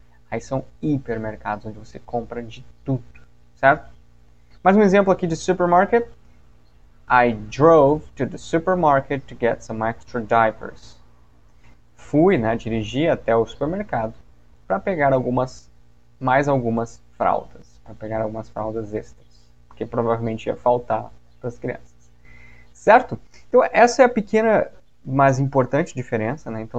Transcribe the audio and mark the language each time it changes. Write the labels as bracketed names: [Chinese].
[Portuguese] Aí são hipermercados onde você compra de tudo, certo? Mais um exemplo aqui de supermarket. [English] I drove to the supermarket to get some extra diapers. [Portuguese] Fui, né, dirigi até o supermercado para pegar algumas fraldas, para pegar algumas fraldas extras, porque provavelmente ia faltar para as crianças. Certo? Então essa é a pequena, mas importante diferença, né?